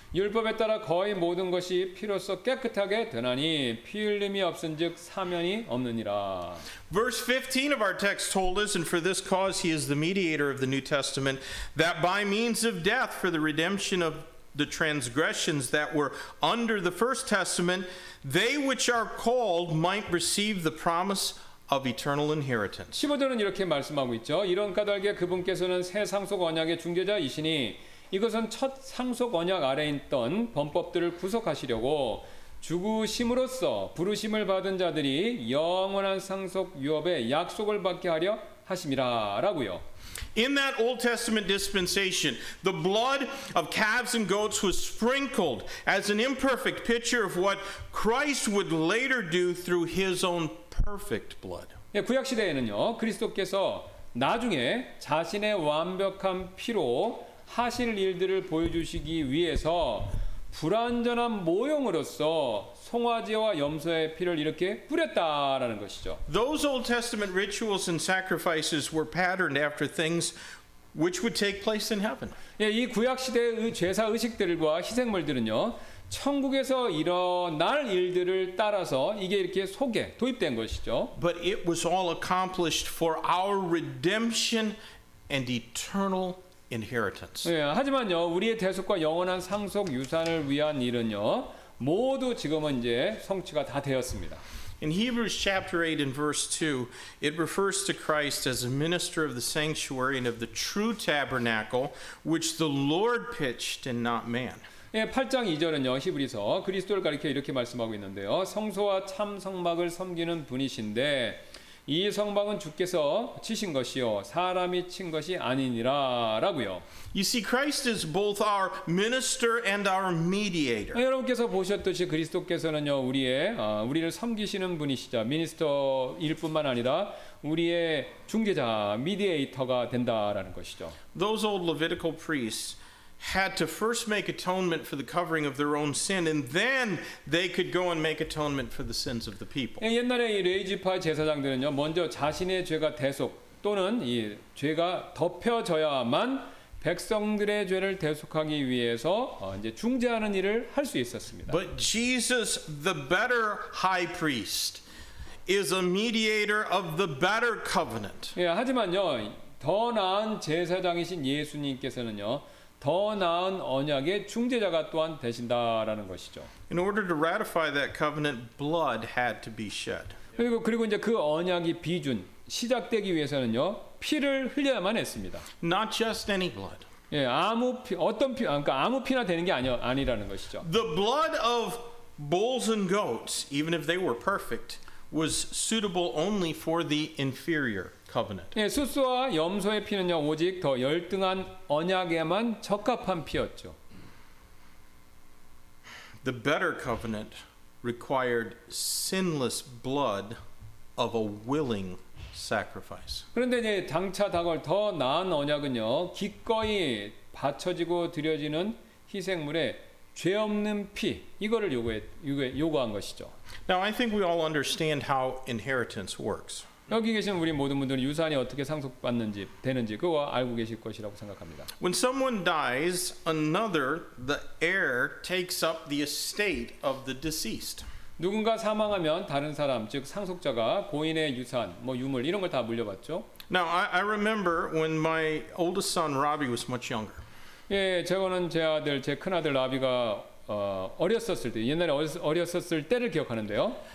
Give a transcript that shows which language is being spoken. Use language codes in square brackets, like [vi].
[ko] 율법에 따라 거의 모든 것이 피로써 깨끗하게 되나니 피 흘림이 없은즉 사면이 없느니라. [en] Verse 15 of our text told us, and for this cause he is the mediator of the New Testament, that by means of death for the redemption of the transgressions that were under the first testament, they which are called might receive the promise of eternal inheritance. [ko] 15절은 이렇게 말씀하고 있죠. 이런 까닭에 그분께서는 새 상속 언약의 중재자이시니 이것은 첫 상속 언약 아래 있던 범법들을 구속하시려고 죽으심으로써 부르심을 받은 자들이 영원한 상속 유업의 약속을 받게 하려 하심이라라고요. [en] In that Old Testament dispensation, the blood of calves and goats was sprinkled as an imperfect picture of what Christ would later do through his own perfect blood. [ko] 예, 구약 시대에는요. 그리스도께서 나중에 자신의 완벽한 피로 하실 일들을 보여주시기 위해서 불완전한 모형으로서 송아지와 염소의 피를 이렇게 뿌렸다라는 것이죠. [en] Those Old Testament rituals and sacrifices were patterned after things which would take place in heaven. [ko] 예, 이 구약 시대의 제사 의식들과 희생물들은요. 천국에서 일어날 일들을 따라서 이게 이렇게 속에 도입된 것이죠. [en] But it was all accomplished for our redemption and eternal inheritance. [ko] 예, 하지만요. 우리의 대속과 영원한 상속 유산을 위한 일은요. 모두 지금은 이제 성취가 다 되었습니다. [en] In Hebrews chapter 8 and verse 2, it refers to Christ as a minister of the sanctuary and of the true tabernacle which the Lord pitched and not man. [ko] 예, 8장 2절은요. 히브리서 그리스도를 가리켜 이렇게 말씀하고 있는데요. 성소와 참 성막을 섬기는 분이신데 이 성막은 주께서 치신 것이요 사람이 친 것이 아니니라라고요. [en] You see, Christ is both our minister and our mediator. [ko] 여러분께서 보셨듯이 그리스도께서는요 우리의 우리를 섬기시는 분이시자 미니스터일 뿐만 아니라 우리의 중재자 미디에이터가 된다라는 것이죠. [en] Those old Levitical priests had to first make atonement for the covering of their own sin, and then they could go and make atonement for the sins of the people. [ko] 옛날에 이 레위지파 제사장들은요, 먼저 자신의 죄가 대속 또는 이 죄가 덮여져야만 백성들의 죄를 대속하기 위해서 이제 중재하는 일을 할 수 있었습니다. [en] But Jesus, the better high priest, is a mediator of the better covenant. [ko] 예, 하지만요, 더 나은 제사장이신 예수님께서는요. 더 나은 언약의 중재자가 또한 되신다라는 것이죠. [en] In order to ratify that covenant, blood had to be shed. [ko] 그리고 이제 그 언약이 비준 시작되기 위해서는요 피를 흘려야만 했습니다. [en] Not just any blood. [ko] 예, 아무 피 어떤 피 그러니까 아무 피나 되는 게 아니라는 것이죠. [en] The blood of bulls and goats, even if they were perfect, was suitable only for the inferior. Covenant. [ko] 예, 수수와 염소의 피는요 오직 더 열등한 언약에만 적합한 피였죠. [en] The better covenant required sinless blood of a willing sacrifice. [ko] 그런데 이제 장차 다가올 더 나은 언약은요 기꺼이 바쳐지고 드려지는 희생물의 죄 없는 피 이거를 요구한 것이죠. [en] Now I think we all understand how inheritance works. [ko] 여기 계신 우리 모든 분들은 유산이 어떻게 상속받는지 되는지 그거 알고 계실 것이라고 생각합니다. [en] When someone dies, another, the heir, takes up the estate of the deceased. [ko] 누군가 사망하면 다른 사람, 즉 상속자가 고인의 유산, 뭐 유물 이런 걸 다 물려받죠. [en] Now I remember when my oldest son Robbie was much younger. [ko] 예, 저거는 제 아들, 제 큰 아들 라비가 어렸었을 때, 옛날에 어렸었을 때를 기억하는데요.